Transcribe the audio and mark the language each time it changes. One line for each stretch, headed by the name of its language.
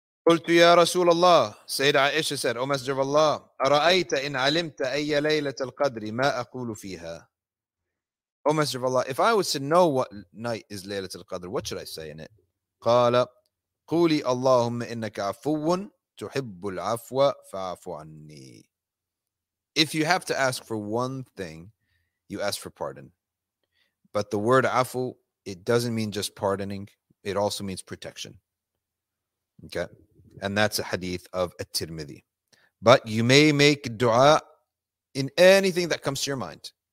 Arabic: قلت يا رسول الله سيد عائشة
English: said, O Messenger of Allah,
Arabic: أرأيت إن علمت أي ليلة القدر ما أقول فيها.
English: O Messenger of Allah, if I was to know what night is ليلة القدر, what should I say in it?
Arabic: قال قولي اللهم إنك عفو تحب العفو فاعف عني.
English: If you have to ask for one thing, you ask for pardon. But the word عفو, it doesn't mean just pardoning. It also means protection. Okay. And that's a hadith of At-Tirmidhi. But you may make dua in anything that comes to your mind.